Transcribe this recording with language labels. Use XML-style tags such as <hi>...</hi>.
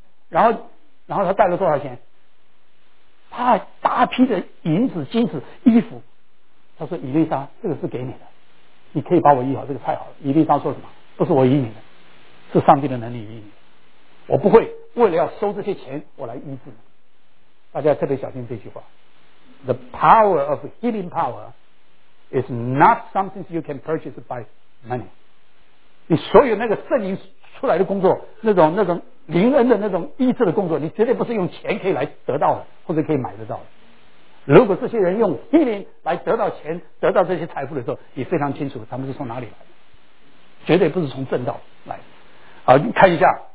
<zh>然后他带了多少钱？他大批的银子金子衣服。他说，伊丽莎，这个是给你的，你可以把我医好，这个太好了。伊丽莎说什么？不是我医你的，是上帝的能力医你的，我不会为了要收这些钱我来医治。大家特别小心这句话，</zh> <en>The power of healing power is not something you can purchase by money。</en> <zh>你所有那个圣灵出来的工作，那种灵恩的那种医治的工作，你绝对不是用钱可以来得到的，或者可以买得到的。如果这些人用心灵来得到钱，得到这些财富的时候，你非常清楚他们是从哪里来的，绝对不是从正道来的。好，你看一下。</zh>